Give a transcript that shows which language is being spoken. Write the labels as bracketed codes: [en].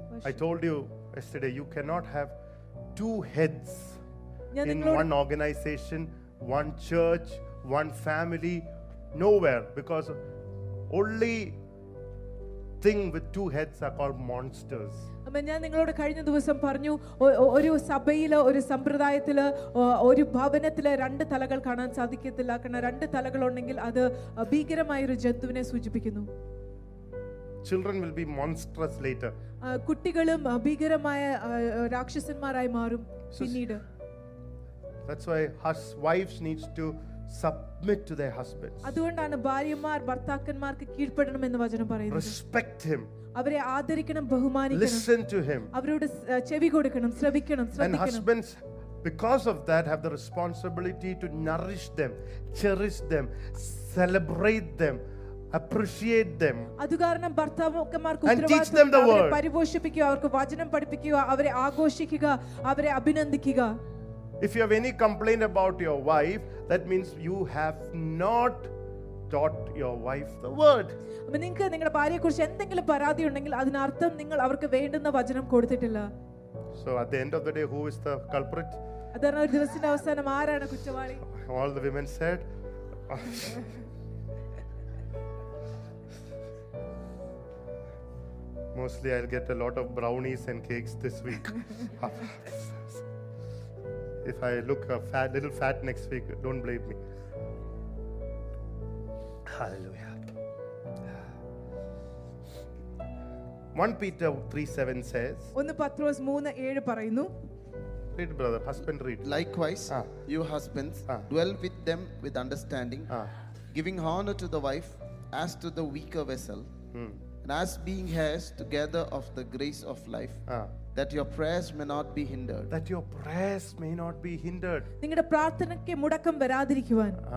[en] I told you yesterday you cannot have two heads in one organization, one church, one family, nowhere, because only thing with two heads are called monsters. [ml] അമ്മ ഞാൻ നിങ്ങളോട് കഴിഞ്ഞ ദിവസം പറഞ്ഞു ഒരു സഭയിലോ ഒരു സമ്പ്രദായത്തിലോ ഒരു ഭവനത്തിലെ രണ്ട് തലകൾ കാണാൻ സാധിക്കത്തില്ല. കാരണം രണ്ട് തലകൾ ഉണ്ടെങ്കിൽ അത് ഭീകരമായ ഒരു ജന്തുവിനെ സൂചിപ്പിക്കുന്നു. [en] Children will be monstrous later. [ml] കുട്ടികളും ഭീകരമായ രാക്ഷസന്മാരായി മാറും പിന്നീട്. [en] That's why wives needs to submit to their husbands. [ml] അതുകൊണ്ടാണ് ഭാര്യമാർ ഭർത്താക്കന്മാർക്ക് കീഴ്പ്പെടണം എന്ന് വചനം പറയുന്നത്. [en] Respect him. [ml] അവരെ ആദരിക്കണം, ബഹുമാനിക്കണം. [en] Listen to him. [ml] അവരോട് ചെവി കൊടുക്കണം, ശ്രവിക്കണം, ശ്രദ്ധിക്കണം. [en] And husbands, because of that, have the responsibility to nourish them, cherish them, celebrate them, appreciate them. [ml] അതുകാരണം ഭർത്താക്കന്മാർക്ക് ഉത്തരവാദിത്വം, പരിപോഷിപ്പിക്കുക, അവർക്ക് വചനം പഠിപ്പിക്കുക, അവരെ ആഘോഷിക്കുക, അവരെ അഭിനന്ദിക്കുക. [en] If you have any complaint about your wife, that means you have not taught your wife the word. [ml] നിങ്ങൾക്ക് നിങ്ങളുടെ ഭാര്യയെക്കുറിച്ച് എന്തെങ്കിലും പരാതി ഉണ്ടെങ്കിൽ അതിനർത്ഥം നിങ്ങൾ അവർക്ക് വേണ്ടുന്ന വചനം കൊടുത്തിട്ടില്ല. [en] So at the end of the day, who is the culprit? [ml] അതാണ് ഒരു ദിവസത്തിന്റെ അവസാനം ആരാണ് കുറ്റവാളി? [en] All the women said. Mostly I'll get a lot of brownies and cakes this week. If I look a fat, little fat next week, don't blame me. Hallelujah. 1 Peter 3:7 says, [ml] One Petros 3:7 parayunu. [en] Read, brother, husband, read. Likewise, you husbands, dwell with them with understanding, giving honor to the wife as to the weaker vessel, and as being heirs together of the grace of life. That your prayers may not be hindered. That your prayers may not be hindered. [ml] നിങ്ങളുടെ പ്രാർത്ഥനയ്ക്ക് മുടക്കം വരാതിരിക്കുവാൻ.